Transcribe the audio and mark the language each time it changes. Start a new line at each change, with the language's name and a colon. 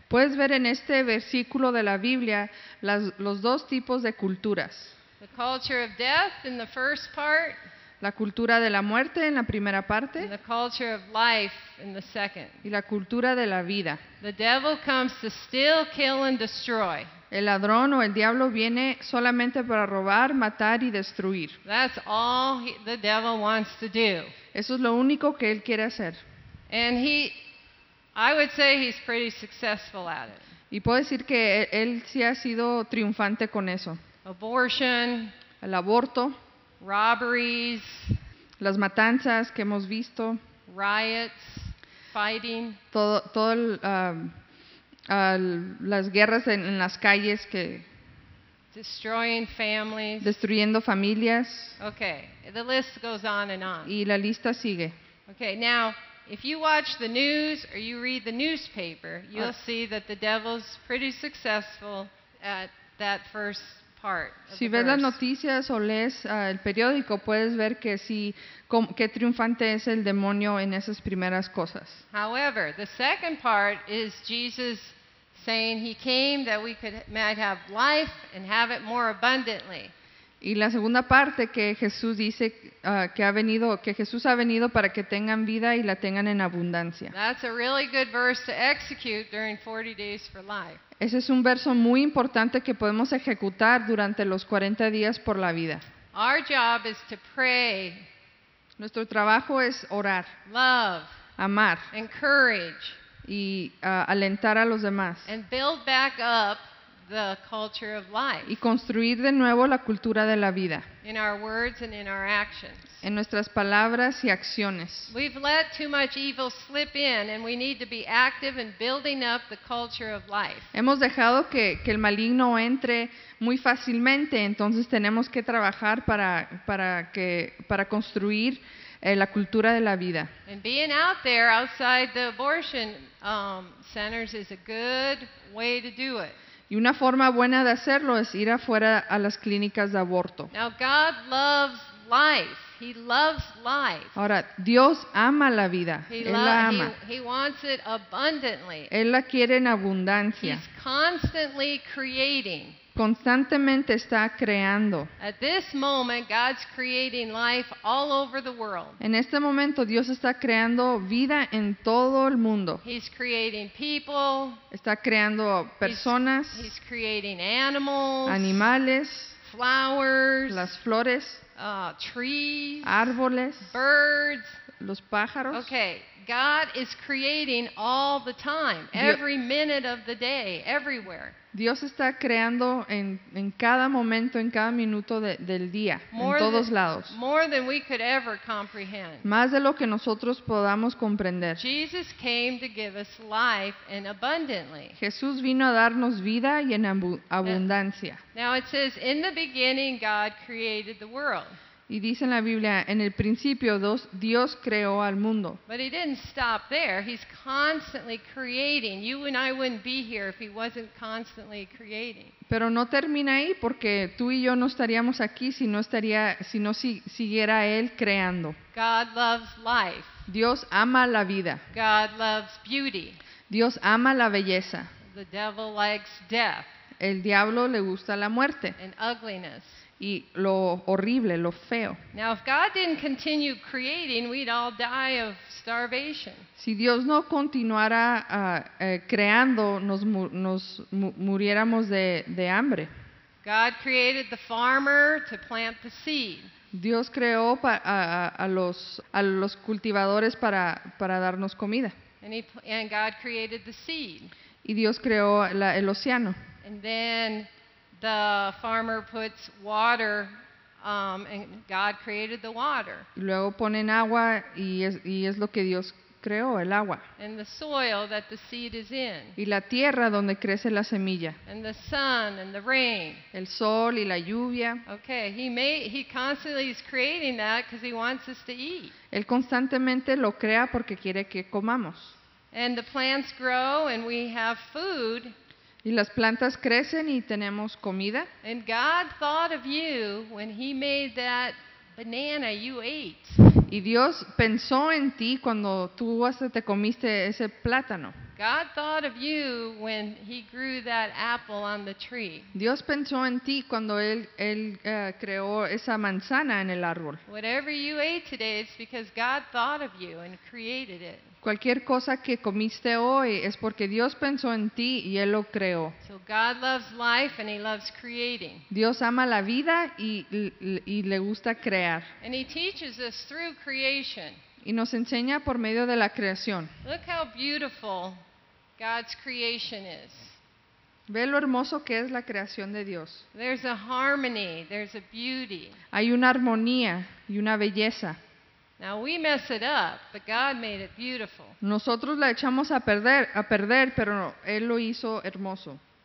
Spanish: Puedes ver en este versículo de la Biblia los dos tipos de culturas.
English: The culture of death in the first part.
Spanish: la cultura de la muerte en la primera parte,
English: and the culture of life in the second.
Spanish: Y la cultura de la vida.
English: The devil comes to steal, kill, and destroy.
Spanish: El ladrón o el diablo viene solamente para robar, matar y destruir.
English: That's all the devil wants to do.
Spanish: Eso es lo único que él quiere hacer.
English: And I would say he's pretty successful at it.
Spanish: Y puedo decir que él sí ha sido triunfante con eso.
English: Abortion,
Spanish: el aborto,
English: robberies,
Spanish: las matanzas que hemos visto,
English: riots, fighting,
Spanish: las guerras en las calles, que
English: destroying families,
Spanish: destruyendo familias.
English: Okay, the list goes on and on.
Spanish: Y la lista sigue.
English: Okay, now if you watch the news or you read the newspaper, you'll see that the devil's pretty successful at that first part.
Spanish: Si ves las noticias o lees el periódico, puedes ver que sí, qué triunfante es el demonio en esas primeras cosas.
English: However, the second part is Jesus saying he came that we might have life and have it more abundantly.
Spanish: Y la segunda parte que Jesús dice que Jesús ha venido para que tengan vida y la tengan en abundancia.
English: That's a really good verse to execute during 40 days for life.
Spanish: Ese es un verso muy importante que podemos ejecutar durante los 40 días por la vida.
English: Our job is to pray.
Spanish: Nuestro trabajo es orar.
English: Love.
Spanish: Amar.
English: Encourage.
Spanish: Y alentar a los demás.
English: And build back up the culture of life.
Spanish: Y construir de nuevo la cultura de la vida.
English: In our words and in our actions.
Spanish: En nuestras palabras y acciones.
English: We've let too much evil slip in, and we need to be active in building up the culture of life.
Spanish: Hemos dejado que el maligno entre muy fácilmente, entonces tenemos que trabajar para construir la cultura de la vida.
English: And being out there outside the abortion centers is a good way to do it.
Spanish: Y una forma buena de hacerlo es ir afuera a las clínicas de aborto.
English: Now God loves life. He loves life.
Spanish: Ahora, Dios ama la vida. Él la ama.
English: He wants it abundantly.
Spanish: Él la quiere en abundancia.
English: He's constantly creating.
Spanish: Constantemente está creando.
English: At this moment, God's creating life all over the world.
Spanish: En este momento, Dios está creando vida en todo el mundo.
English: He's creating people.
Spanish: Está creando personas.
English: He's creating animals.
Spanish: Animales.
English: Flowers.
Spanish: Las flores.
English: Trees.
Spanish: Árboles.
English: Birds.
Spanish: Los pájaros.
English: Okay, God is creating all the time, every minute of the day, everywhere.
Spanish: Dios está creando en cada momento, en cada minuto del día,
English: more
Spanish: en todos lados.
English: More than we could ever comprehend.
Spanish: Más de lo que nosotros podamos comprender.
English: Jesus came to give us life and abundantly.
Spanish: Jesús vino a darnos vida y en abundancia.
English: Now it says, in the beginning God created the world.
Spanish: Y dice en la Biblia, en el principio Dios creó al mundo.
English: But he didn't stop there. He's constantly creating. You and I wouldn't be here if he wasn't constantly creating.
Spanish: Pero no termina ahí, porque tú y yo no estaríamos aquí si no siguiera él creando.
English: God loves life.
Spanish: Dios ama la vida.
English: God loves beauty.
Spanish: Dios ama la belleza.
English: The devil likes death.
Spanish: El diablo le gusta la muerte.
English: And ugliness.
Spanish: Y lo horrible, lo feo.
English: Now, if God didn't continue creating, we'd all die of starvation.
Spanish: Si Dios no continuara creando, muriéramos de hambre.
English: God created the farmer to plant the seed.
Spanish: Dios creó a los cultivadores para darnos comida.
English: And God created the seed.
Spanish: Y Dios creó el océano.
English: And then the farmer puts water, and God created the water.
Spanish: Y luego ponen agua y es lo que Dios creó, el agua.
English: And the soil that the seed is in.
Spanish: Y la tierra donde crece la semilla.
English: And the sun and the rain.
Spanish: El sol y la lluvia.
English: Okay, he constantly is creating that because he wants us to eat.
Spanish: Él constantemente lo crea porque quiere que comamos.
English: And the plants grow and we have food.
Spanish: Y las plantas crecen y tenemos comida.
English: And God thought of you when he made that banana you ate.
Spanish: Y Dios pensó en ti cuando tú te comiste ese plátano.
English: God thought of you when he grew that apple on the tree.
Spanish: Dios pensó en ti cuando él creó esa manzana en el árbol.
English: Whatever you ate today, it's because God thought of you and created it.
Spanish: Cualquier cosa que comiste hoy es porque Dios pensó en ti y él lo creó.
English: So God loves life and he loves creating.
Spanish: Dios ama la vida y le gusta crear.
English: And he teaches us through creation.
Spanish: Y nos enseña por medio de la creación.
English: Look how beautiful God's creation is.
Spanish: Ve lo hermoso que es la creación de Dios.
English: There's a harmony, there's a beauty.
Spanish: Hay una armonía y una belleza.
English: Now we mess it up, but God made it beautiful.
Spanish: Nosotros la echamos a perder, pero no, él lo hizo hermoso.